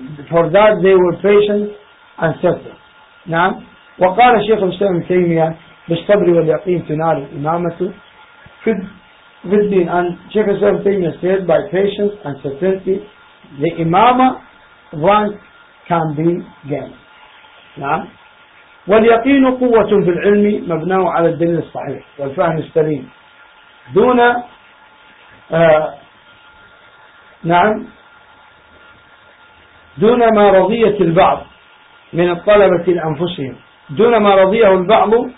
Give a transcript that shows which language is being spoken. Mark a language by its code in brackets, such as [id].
[en] For that they were patient and suffered. [ar] نعم. وقال الشيخ الإسلام ابن تيمية بالصبر واليقين تنال الإمامة في الدين. [en] And Shaykh Islam Taymiyyah said, by patience and certainty, the imama rank can be gained. [ar] نعم. واليقين قوة في العلم مبنى على الدليل الصحيح والفهم السليم دون نعم دون ما رضية البعض من الطلبة لأنفسهم، دون ما رضيه البعض،